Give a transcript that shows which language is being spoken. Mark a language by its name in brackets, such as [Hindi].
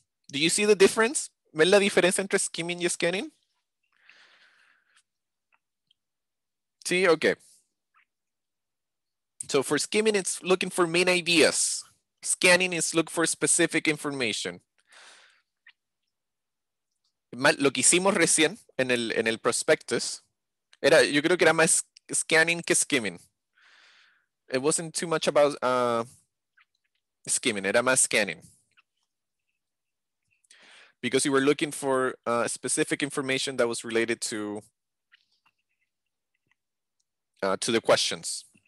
[English] Do you see the difference? [Spanish] ¿Ven la diferencia entre skimming y scanning? Sí, okay. [English] So for skimming, it's looking for main ideas. Scanning is look for specific information. [Spanish] Lo que hicimos recién en el prospectus, era, yo creo que era más scanning que skimming. [English] It wasn't too much about skimming, [Spanish] era más scanning. [English] Because you were looking for specific information that was related to the questions.